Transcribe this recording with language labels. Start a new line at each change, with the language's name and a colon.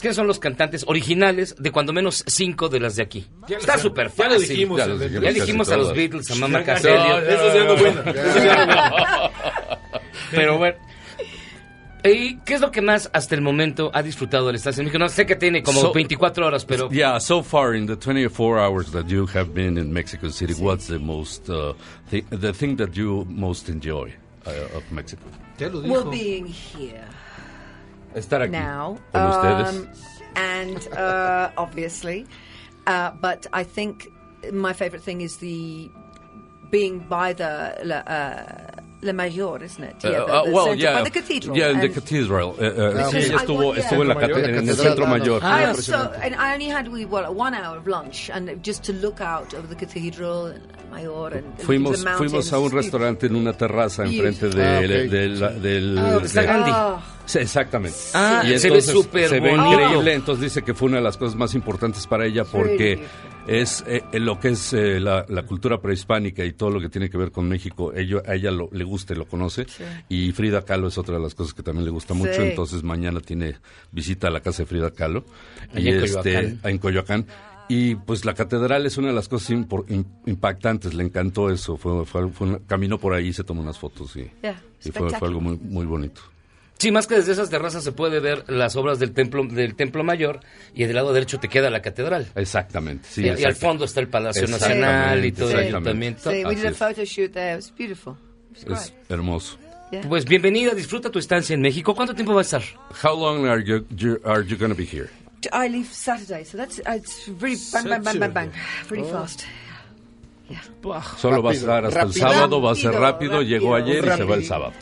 Spanish: ¿Quiénes son los cantantes originales de cuando menos 5 de las de aquí? Ya está súper fácil. Ya lo dijimos a los Beatles, a Mama Caselio. Eso ya no bueno. Pero bueno. ¿Y qué es lo que más hasta el momento ha disfrutado de la estancia en México? No sé que tiene como 24 horas, pero...
English: Yeah, so far in the 24 hours that you have been in Mexico City, sí. What's the most, the thing that you most enjoy of Mexico?
Spanish: ¿Te lo dijo?
English: Well, being here.
Spanish: Estar aquí.
English: Now.
Spanish: Con ustedes.
English: And obviously. But I think my favorite thing is the being by the... La Mayor, isn't it? Yeah, by the cathedral. Yeah, in the cathedral.
Spanish: En el Centro Mayor.
English: One hour of lunch, and just to look out over the cathedral, Mayor, and
Spanish: fuimos a un restaurante en una terraza enfrente Gandhi. Sí, exactamente. Ah, y entonces, se ve súper bonito. Se ve increíble. Entonces dice que fue una de las cosas más importantes para ella porque... Es lo que es la cultura prehispánica y todo lo que tiene que ver con México. A ella le gusta y lo conoce. Sí. Y Frida Kahlo es otra de las cosas que también le gusta mucho. Sí. Entonces mañana tiene visita a la casa de Frida Kahlo. En Coyoacán. Y pues la catedral es una de las cosas impactantes. Le encantó eso. Caminó por ahí, se tomó unas fotos y fue algo muy, muy bonito. Sí, más que desde esas terrazas se puede ver las obras del templo mayor y del lado derecho te queda la catedral. Exactamente. Sí, y al fondo está el Palacio Nacional y todo el ayuntamiento.
English: Sí, we did a photo shoot there. It was beautiful.
Spanish: Es hermoso. Yeah. Pues bienvenida, disfruta tu estancia en México. ¿Cuánto tiempo va a estar?
English: How long are you going to be here? I leave Saturday, so that's it's really bang bang bang bang bang, pretty fast.
Spanish: Solo va a estar hasta el sábado, va a ser rápido, llegó ayer y se va el sábado.